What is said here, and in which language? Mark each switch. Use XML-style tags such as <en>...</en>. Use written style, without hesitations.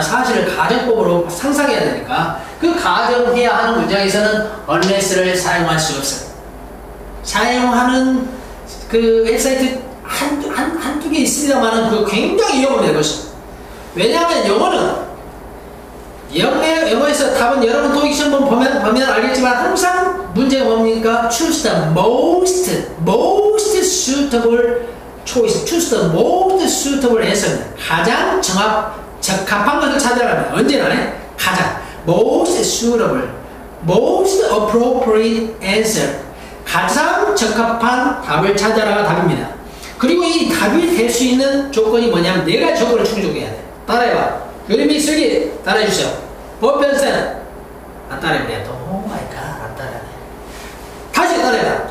<ko>사실을 가정법으로 상상해야 되니까 그 가정해야 하는 문장에서는 unless를 사용할 수 없어요. 사용하는 그 웹사이트 한두 개 있습니다만은 그 굉장히 위험한 것이. 왜냐하면 영어는 영어에서 답은 여러분 토익 시험 보면 알겠지만 항상 문제가 뭡니까?</ko> <en>Choose the most suitable choice. Choose the most suitable answer.</en> <ko>가장 적합한 것을 찾아라. 언제나 가장</ko> <en>most suitable, most appropriate answer.</en> <ko>가장 적합한 답을 찾아라가 답입니다. 그리고 이 답이 될 수 있는 조건이 뭐냐면 네 가지 조건을 충족해야 돼. 따라해봐. 그림이 쓰기 따라해주세요. 보편선 안 따라해. 오 마이 갓 안 따라해. 다시 따라해봐.</ko>